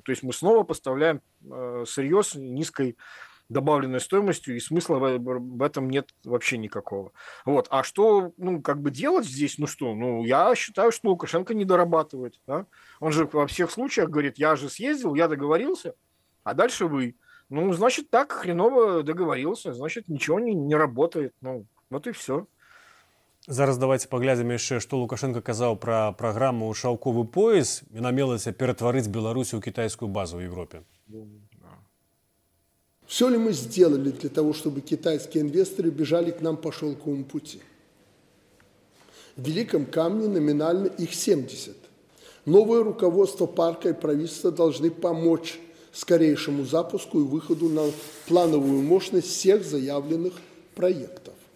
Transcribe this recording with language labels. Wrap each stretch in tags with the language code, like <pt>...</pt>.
<ru>То есть мы снова поставляем сырье с низкой добавленной стоимостью, и смысла в этом нет вообще никакого. Вот. А что, ну, как бы делать здесь? Ну что, ну, я считаю, что Лукашенко не дорабатывает. Да? Он же во всех случаях говорит: я же съездил, я договорился, а дальше вы. Ну, значит, так хреново договорился, значит, ничего не работает. Ну, вот и все.</ru> <be>Зараз давайте поглядзім яшчэ, што Лукашэнка казаў пра праграму «Шаўковы пояс». Яна мелася ператварыць Беларусь у кітайскую базу ў Европе.</be> <ru>Все ли мы сделали для того, чтобы китайские инвесторы бежали к нам по шелковому пути? В Великом Камне номинально их 70. Новое руководство парка и правительство должны помочь скорейшему запуску и выходу на плановую мощность всех заявленных проектов.</ru>